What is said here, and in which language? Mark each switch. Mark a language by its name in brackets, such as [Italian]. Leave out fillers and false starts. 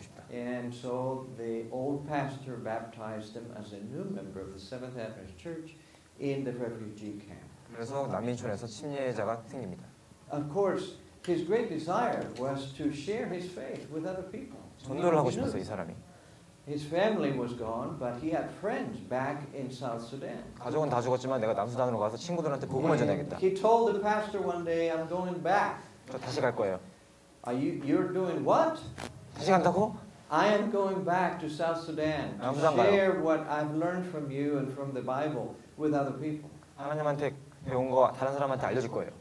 [English] And so the old pastor baptized him as a new member of the Seventh Adventist Church in the refugee camp. [Korean] 그래서 난민촌에서 침례자가 생깁니다. [English] Of course, his great desire was to share his faith with other people. [Korean] 전도를 하고 싶어서 이 사람이. [English] His family was gone, but he had friends back in South Sudan. [Korean] 가족은 다 죽었지만 내가 남수단으로 가서 친구들한테 복음을 전해야겠다. [English] He told the pastor one day, "I'm going back." [Korean] 저 다시 갈 거예요. [English] Are you're doing what? [Korean] 다시 간다고? [English] I am going back to South Sudan to share what I've learned from you and from the Bible with other people. [Korean] 하나님한테 배운 거 다른 사람한테 알려줄 거예요.